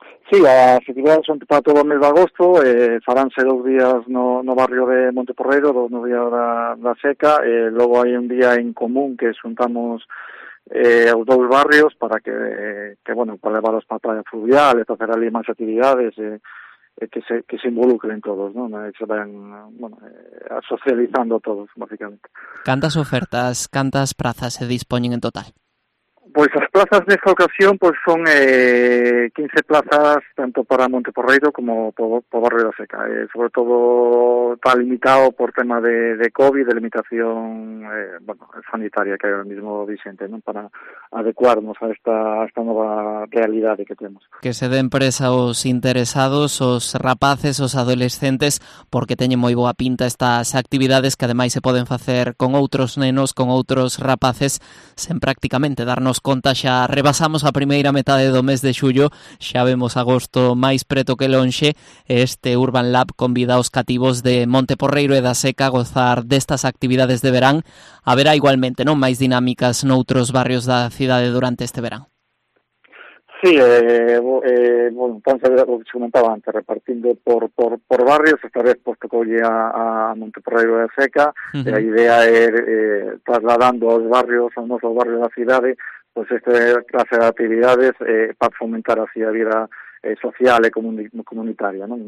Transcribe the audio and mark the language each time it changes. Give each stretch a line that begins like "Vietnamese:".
Galician: Sí, as actividades son para todo o mes de agosto, faránse dous días no barrio de Monteporreiro, dous días da Seca, logo hai un día en común que xuntamos os dous barrios para que bueno, para levarlos para a playa fluvial, e facer ali máis actividades
Spanish: que se involucren todos,
Galician: ¿no?
Spanish: Que se vayan socializando todos, básicamente.
Galician: ¿Cantas ofertas, cantas prazas se dispoñen en total?
Spanish: Pues las plazas de esta ocasión pues son 15 plazas tanto para Monte Porreiro como por Barrera Seca. Sobre todo está limitado por tema de COVID, de limitación sanitaria que hay ahora mismo vigente, ¿no? Para adecuarnos a esta nueva realidad que tenemos.
Galician: Que se den presa os interesados, os rapaces, os adolescentes, porque teñen moi boa pinta estas actividades que ademais se poden facer con outros nenos, con outros rapaces, sen prácticamente darnos conta, xa rebasamos a primeira metade do mes de xullo, xa vemos agosto máis preto que lonxe. Este Urban Lab convida os cativos de Monte Porreiro e da Seca a gozar destas actividades de verán. Haberá igualmente, non, máis dinámicas noutros barrios da cidade durante este verán.
Spanish: Sí, bueno, como se comentaba antes, repartindo por barrios, esta vez pues tocó ya a Monte Porreiro de Seca. Uh-huh. La idea es trasladando a los barrios, a nuestros barrios de la ciudad, pues esta clase de actividades para fomentar así la vida social e comunitaria, ¿no?